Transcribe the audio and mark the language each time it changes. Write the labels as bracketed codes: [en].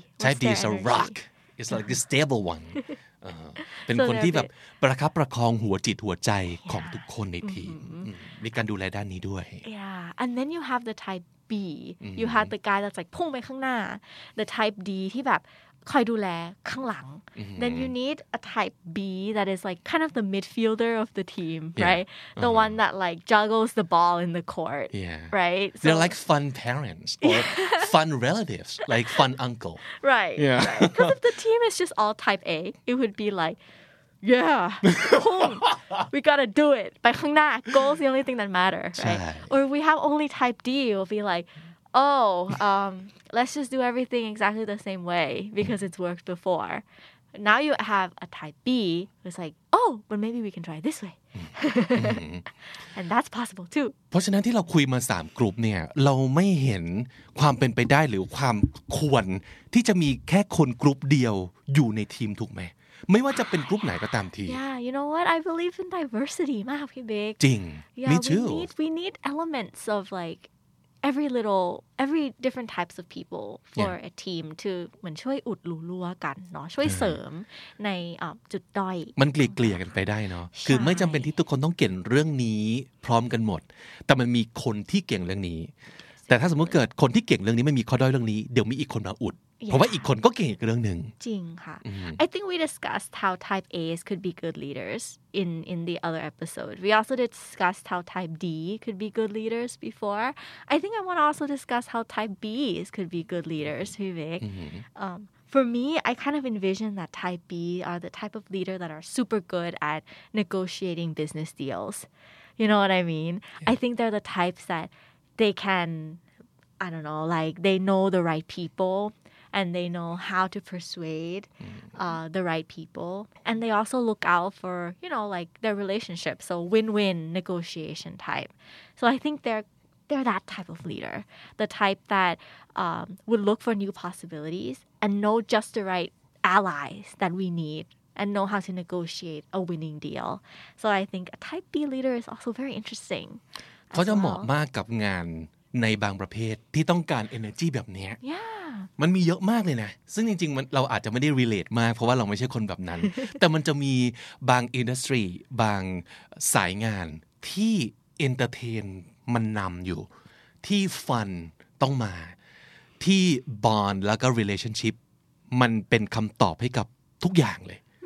[en] Type D is a rock. It's like the stable one. [th] เป็นคนที่แบบประคับประคองหัวจิตหัวใจของทุกคนในทีมมีการดูแลด้านนี้ด้วย [en] Yeah and then you have the type B you have the guy that's like [th] พุ่งไปข้างหน้า [en] the type D [th] ที่แบบคอยดูแลข้างหลัง [en] then you need a type B that is like kind of the midfielder of the team right the one that like juggles the ball in the court right so, they're like fun parents or fun relatives like fun uncle right yeah because right. if the team is just all type A it would be like yeah we gotta do it [th] ไปข้างหน้า [en] goal is the only thing that matter right or if we have only type D it will be likeOh, let's just do everything exactly the same way because it's worked before. Now you have a type B who's like, oh, but maybe we can try this way. And that's possible too. [th] เพราะฉะนั้นที่เราคุยมา3กลุ่มเนี่ยเราไม่เห็นความเป็นไปได้หรือความควรที่จะมีแค่คนกลุ่มเดียวอยู่ในทีมถูกไหมไม่ว่าจะเป็นกลุ่มไหนก็ตามที [en] Yeah, you know what? I believe in diversity [th] มากพี่บิ๊ก จริง [en] Me too. We need elements of likeevery different types of people for a team to [th] เหมือนช่วยอุดรูรั่วกันเนาะช่วยเสริมในจุดด้อย มันเกลี่ยกันไปได้เนาะคือไม่จำเป็นที่ทุกคนต้องเก่งเรื่องนี้พร้อมกันหมดแต่มันมีคนที่เก่งเรื่องนี้แต่ถ้าสมมติเกิดคนที่เก่งเรื่องนี้ไม่มีข้อด้อยเรื่องนี้เดี๋ยวมีอีกคนมาอุดเพราะว่าอีกคนก็เก่งอีกเรื่องนึง จริงค่ะ [en] I think we discussed how type A's could be good leaders in the other episode. We also discussed how type D could be good leaders before. I think I want to also discuss how type B's could be good leaders, Vivek. For me, I kind of envision that type B are the type of leader that are super good at negotiating business deals. You know what I mean? Yeah. I think they're the types that they can, I don't know, like they know the right people. And they know how to persuade the right people. And they also look out for, you know, like their relationships. So win-win negotiation type. So I think they're that type of leader. The type that would look for new possibilities and know just the right allies that we need and know how to negotiate a winning deal. So I think a type B leader is also very interesting. [th] เขาจะเหมาะมากกับงานในบางประเภทที่ต้องการ energy แบบนี้ [en] Yeah. [th] มันมีเยอะมากเลยนะซึ่งจริงๆมันเราอาจจะไม่ได้รีเลทมากเพราะว่าเราไม่ใช่คนแบบนั้น แต่มันจะมีบางอินดัสทรีบางสายงานที่เอนเตอร์เทนมันนำอยู่ที่ฟันต้องมาที่บอนด์แล้วก็รีเลชั่นชิพมันเป็นคำตอบให้กับทุกอย่างเลย